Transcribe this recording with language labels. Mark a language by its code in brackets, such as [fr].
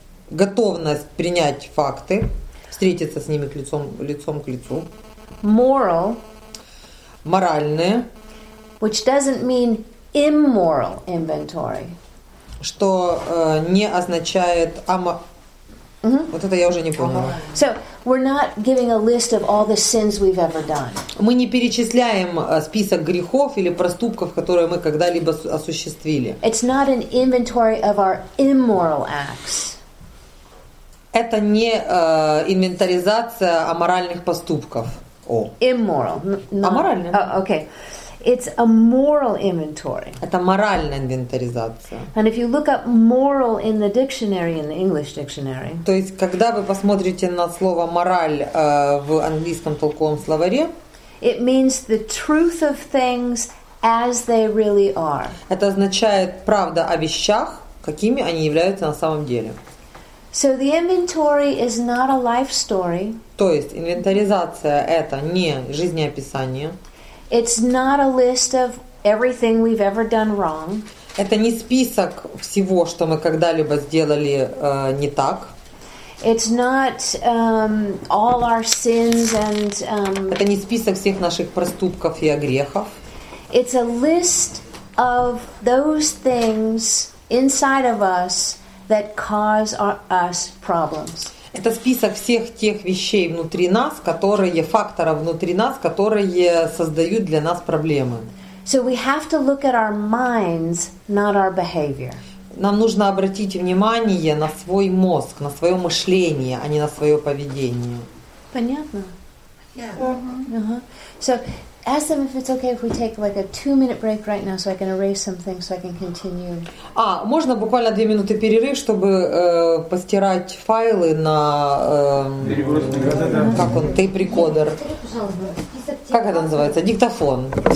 [ru] готовность принять факты, встретиться с ними лицом к лицу. [en] Moral. [ru] Моральное. [en] Which doesn't mean immoral inventory. [ru] Что не означает Вот это я уже не поняла. [en] So, we're not giving a list of all the sins we've ever done. [ru] Мы не перечисляем список грехов или проступков, которые мы когда-либо осуществили. [en] It's not an inventory of our immoral acts. [ru] Это не инвентаризация аморальных поступков. [en] Immoral. [ru] Аморальные. [en] Okay. It's a moral inventory. [ru] Это моральная инвентаризация. [en] And if you look up moral in the dictionary, in the English dictionary. [ru] То есть, когда вы посмотрите на слово мораль в английском толковом словаре. [en] It means the truth of things as they really are. [ru] Это означает правда о вещах, какими они являются на самом деле. [en] So the inventory is not a life story. [ru] То есть инвентаризация это не жизнеописание. [en] It's not a list of everything we've ever done wrong. [ru] Это не список всего, что мы когда-либо сделали не так. [en] It's not all our sins and. [ru] Это не список всех наших проступков и грехов. [en] It's a list of those things inside of us. That cause us problems. [ru] Это список всех тех вещей внутри нас, которые факторы внутри нас, которые создают для нас проблемы. [en] So we have to look at our minds, not our behavior. [ru] Нам нужно обратить внимание на свой мозг, на свое мышление, а не на свое поведение. Понятно? [en] Yeah. Ask them if it's okay if we take like a 2-minute break right now, so I can erase some things, so I can continue. [ru] А можно буквально 2 минуты перерыв, чтобы постирать файлы на как он тейп-рекодер? Как это называется? Диктофон.